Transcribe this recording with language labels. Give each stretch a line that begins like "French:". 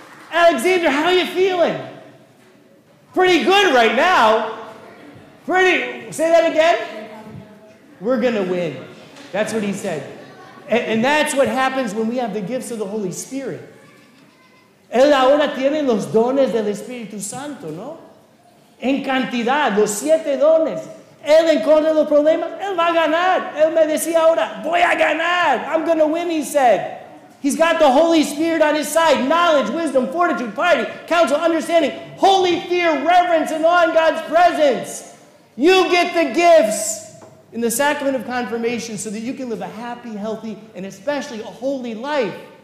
English: Alexander, how are you feeling? Pretty good right now. Pretty, say that again. We're gonna win. That's what he said. And that's what happens when we have the gifts of the Holy Spirit.
Spanish: Él ahora tiene los dones del Espíritu Santo, ¿no? En cantidad, los 7 dones. Él encontra los problemas, él va a ganar. Él me decía ahora, voy a ganar.
English: I'm gonna win, he said. He's got the Holy Spirit on his side. Knowledge, wisdom, fortitude, piety, counsel, understanding, holy fear, reverence, and awe in God's presence. You get the gifts in the sacrament of confirmation so that you can live a happy, healthy, and especially a holy life.